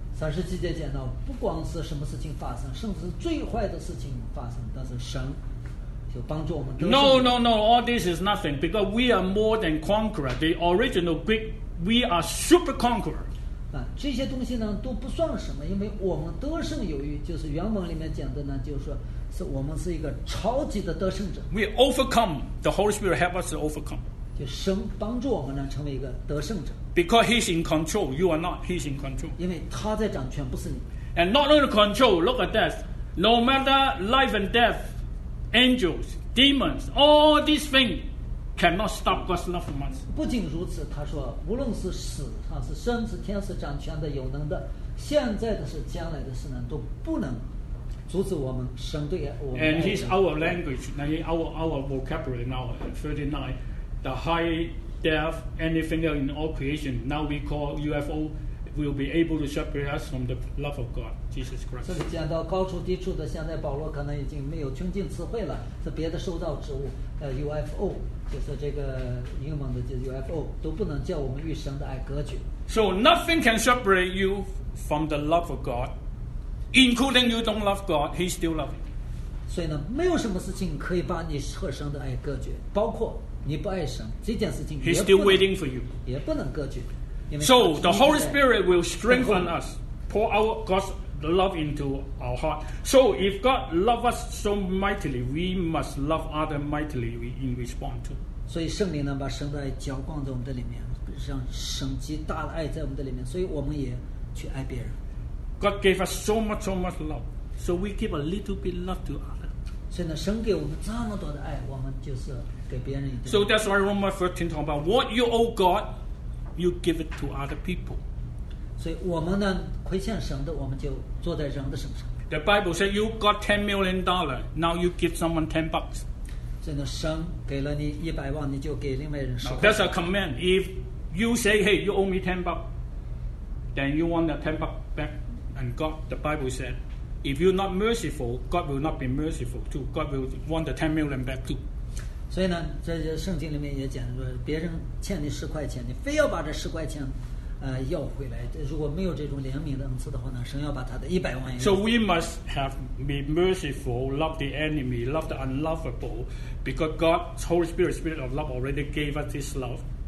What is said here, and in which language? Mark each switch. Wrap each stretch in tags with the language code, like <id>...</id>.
<zh>37节讲到，不光是什么事情发生，甚至最坏的事情发生，但是神就帮助我们。</zh> <en>No, all this is nothing, because we are more than conquerors. The original Greek, we are super conquerors.</en> <zh>这些东西呢都不算什么，因为我们得胜有余，就是原文里面讲的呢，就是说是我们是一个超级的得胜者。</zh> <en>We overcome. The Holy Spirit help us to overcome.</en> <zh>就神帮助我们呢成为一个得胜者。</zh> <en>Because He's in control, you are not. He's in control.</en> <zh>因为他在掌权，不是你。</zh> <en>And not only control, look at that. No matter life and death, angels, demons, all these things cannot stop God's love from us.</en> <zh>不仅如此，他说，无论是死。是生死天使掌权的有能的现在的是将来的事呢都不能阻止我们神对我们</zh> <en>And he's our language now, our vocabulary now 39 the high death anything else in all creation now we call UFO will be able to separate us from the love of God Jesus Christ</en> <zh>这里讲到高处低处的现在保罗可能已经没有穷尽词汇了是别的受造之物UFO就是这个英文的就是 UFO 都不能叫我们与神的爱隔绝</zh> <en>So nothing can separate you from the love of God including you don't love God He still loves you</en> <zh>所以呢没有什么事情可以把你和神的爱隔绝包括你不爱神这件事情</zh> <en>He's still waiting for you</en> <zh>也不能隔绝</zh> <en>So the Holy Spirit will strengthen us pour our God's love into our heart so if God loves us so mightily we must love others mightily in response to</en> <zh>所以圣灵呢把神的爱浇灌在我们的里面让神极大的爱在我们的里面所以我们也去爱别人</zh> <en>God gave us so much love so we give a little bit love to others</en> <zh>所以呢神给我们这么多的爱我们就是给别人一点</zh> <en>so that's why Romans 13 talk about what you owe God you give it to other people</en> <zh>所以我们呢亏欠神的我们就坐在人的身上</zh> <en>The Bible said you got $10 million Now you give someone $10</en> <zh>所以呢神给了你100万你就给另外人10块</zh> <en>Now, That's a command If you say hey you owe me $10 Then you want the $10 back And God the Bible said If you're not merciful God will not be merciful too God will want the $10 million back too</en> <zh>所以呢在圣经里面也讲说别人欠你10块钱你非要把这10块钱要回来如果没有这种怜悯的恩赐的话呢神要把他的100万</zh> <en>So we must have be merciful love the enemy love the unlovable because God's Holy Spirit Spirit of love already gave us this love</en>